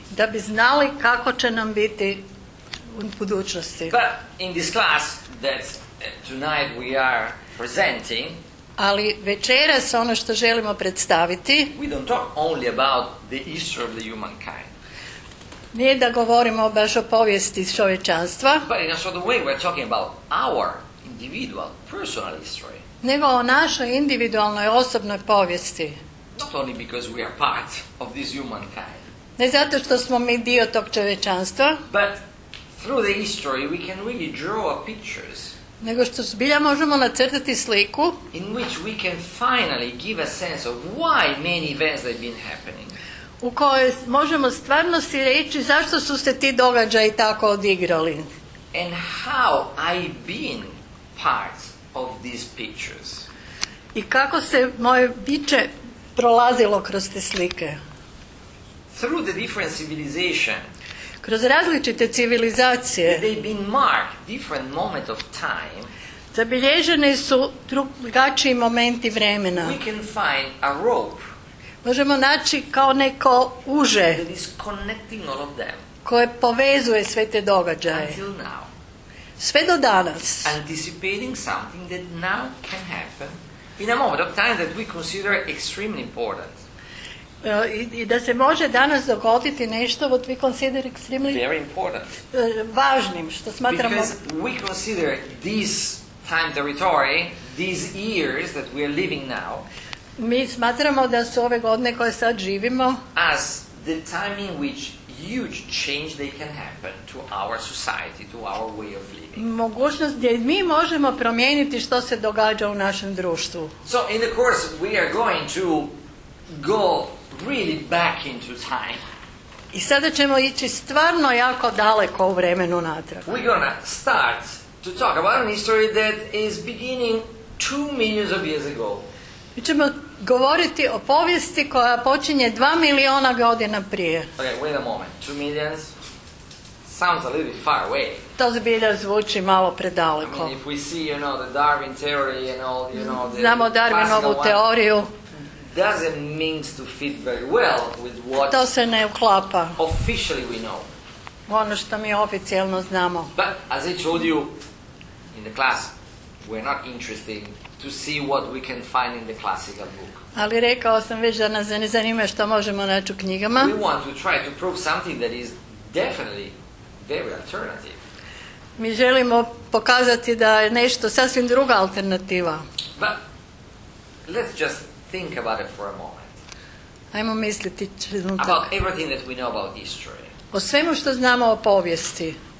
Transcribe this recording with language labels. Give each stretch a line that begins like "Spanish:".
Croatian: Da bi znali kako će nam biti u budućnosti.
English: But in this class that tonight we are presenting,
Croatian: ali večeras ono što želimo predstaviti,
English: we don't talk only about the history of the humankind.
Croatian: Nije da govorimo baš o povijesti čovječanstva,
English: but in a sort of way we're talking about our individual personal history.
Croatian: Nego o našoj individualnoj osobnoj povijesti.
English: Not only because we are part of this humankind.
Croatian: Ne zato što smo mi dio tog čovječanstva,
English: but through the history we can really draw pictures.
Croatian: Nego što zbilja možemo nacrtati sliku
English: in which we can finally give a sense of why many events have been happening.
Croatian: U kojoj možemo stvarno si reći zašto su se ti događaji tako odigrali.
English: And how I been part of these pictures.
Croatian: I kako se moje biće prolazilo kroz te slike.
English: Through the different civilization.
Croatian: Kroz različite civilizacije.
English: They've been marked different moment of time.
Croatian: Zabilježeni su drugačiji momenti vremena.
English: We can find a rope.
Croatian: Možemo naći kao neko uže.
English: That is connecting all of them.
Croatian: Koje povezuje sve te događaje.
English: Until now.
Croatian: Sve do danas.
English: Anticipating something that now can happen in a moment of time that we consider extremely important.
Croatian: I da se može danas dogoditi nešto
English: what we consider extremely important.
Croatian: Važnim, što smatramo.
English: Because we consider this time territory, these years that we are living now,
Croatian: mi smatramo da su ove godine koje sad živimo,
English: as the time in which huge change they can happen to our society, to our way of living.
Croatian: Mogućnost gdje mi možemo promijeniti što se događa u našem društvu.
English: So in the course we are going to go really back into time.
Croatian: I sada ćemo ići stvarno jako daleko u vremenu natrag.
English: We're going to start to talk about an history that is beginning 2 million of years ago.
Croatian: Mi ćemo govoriti o povijesti koja počinje 2 miliona godina prije.
English: Okay, wait a moment. 2 millions sounds a little bit far away.
Croatian: To zbilja zvuči malo predaleko.
English: I mean, if we see, you know, the Darwin theory and all, you know, the
Croatian: znamo Darwinovu teoriju.
English: Doesn't mean to fit very well with what
Croatian: to se ne uklapa.
English: Officially we know.
Croatian: Ono što mi oficijelno znamo.
English: But as I told you in the class, we're not interested to see what we can find in the classical book.
Croatian: Ali rekao sam već da nas ne zanima što možemo naći u knjigama.
English: We want to try to prove something that is definitely very alternative.
Croatian: Mi želimo pokazati da je nešto sasvim druga alternativa.
English: But let's just think about it for a moment.
Croatian: Ajmo misliti trenutak.
English: About everything that we know about history.
Croatian: O svemu što znamo o povijesti.